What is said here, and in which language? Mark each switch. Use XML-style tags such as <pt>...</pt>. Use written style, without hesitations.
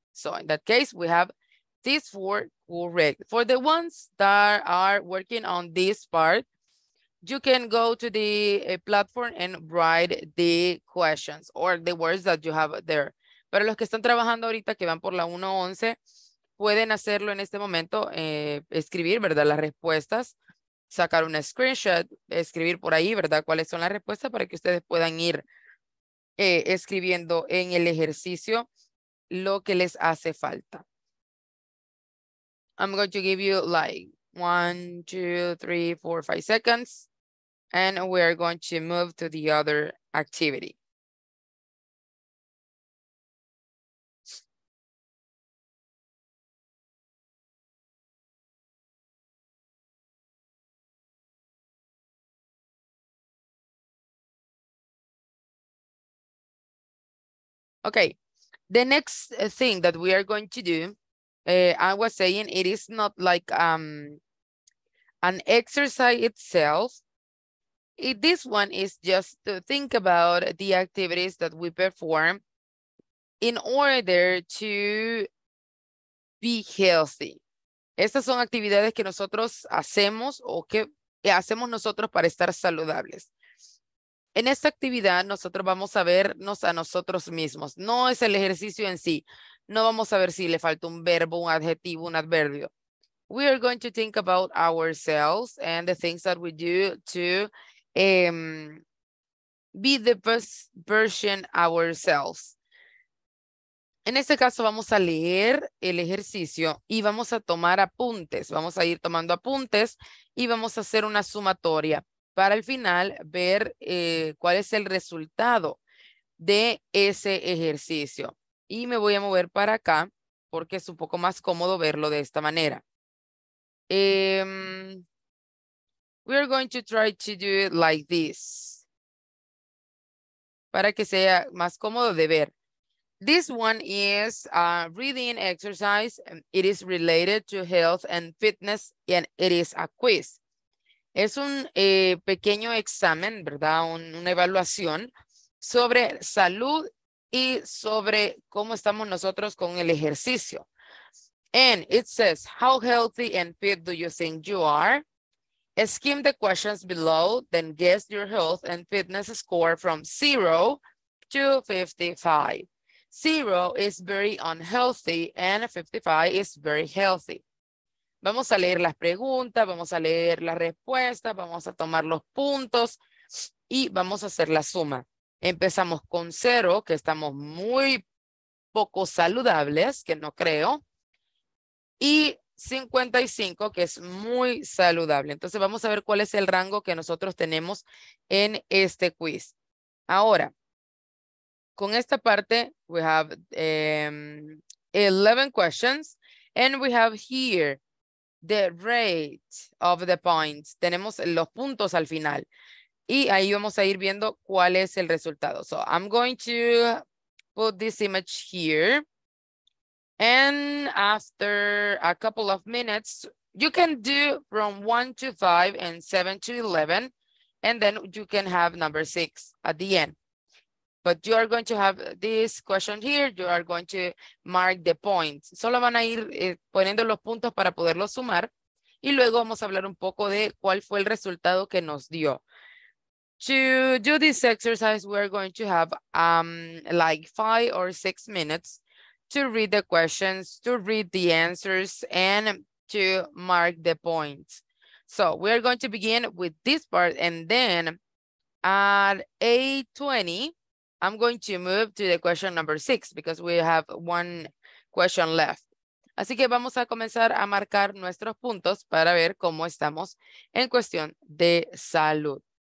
<en>So in that case, we have these four correct. For the ones that are working on this part, you can go to the platform and write the questions or the words that you have there.</en> <es>Para los que están trabajando ahorita, que van por la 1.11, pueden hacerlo en este momento, escribir, ¿verdad? Las respuestas, sacar una screenshot, escribir por ahí, ¿verdad? ¿Cuáles son las respuestas para que ustedes puedan ir escribiendo en el ejercicio lo que les hace falta?</es> <en>I'm going to give you like 1, 2, 3, 4, 5 seconds and we are going to move to the other activity. Okay, the next thing that we are going to do, I was saying it is not like an exercise itself. This one is just to think about the activities that we perform in order to be healthy.</en> <es>Estas son actividades que nosotros hacemos o que hacemos nosotros para estar saludables. En esta actividad nosotros vamos a vernos a nosotros mismos. No es el ejercicio en sí. No vamos a ver si le falta un verbo, un adjetivo, un adverbio.</es> <en>We are going to think about ourselves and the things that we do to be the best version ourselves.</en> <es>En este caso vamos a leer el ejercicio y vamos a tomar apuntes. Vamos a ir tomando apuntes y vamos a hacer una sumatoria para al final ver cuál es el resultado de ese ejercicio. Y me voy a mover para acá porque es un poco más cómodo verlo de esta manera.</es> <en>We are going to try to do it like this.</en> <es>Para que sea más cómodo de ver.</es> <en>This one is a reading exercise. It is related to health and fitness and it is a quiz.</en> <es>Es un pequeño examen, ¿verdad? Una evaluación sobre salud y sobre cómo estamos nosotros con el ejercicio.</es> <en>And it says, how healthy and fit do you think you are? Skim the questions below, then guess your health and fitness score from 0 to 55. 0 is very unhealthy and 55 is very healthy.</en> <es>Vamos a leer las preguntas, vamos a leer las respuestas, vamos a tomar los puntos y vamos a hacer la suma. Empezamos con 0, que estamos muy poco saludables, que no creo, y 55, que es muy saludable. Entonces vamos a ver cuál es el rango que nosotros tenemos en este quiz. Ahora, con esta parte,</es> <en>we have 11 questions. And we have here the rate of the points.</en> <es>Tenemos los puntos al final. Y ahí vamos a ir viendo cuál es el resultado.</es> <en>So I'm going to put this image here. And after a couple of minutes, you can do from 1 to 5 and 7 to 11. And then you can have number 6 at the end. But you are going to have this question here. You are going to mark the points.</en> <es>Solo van a ir poniendo los puntos para poderlos sumar. Y luego vamos a hablar un poco de cuál fue el resultado que nos dio.</es> <en>To do this exercise, we're going to have like 5 or 6 minutes to read the questions, to read the answers, and to mark the points. So we're going to begin with this part. And then at 8:20, I'm going to move to the question number 6 because we have 1 question left.</en> <es>Así que vamos a comenzar a marcar nuestros puntos para ver cómo estamos en cuestión de salud.</es>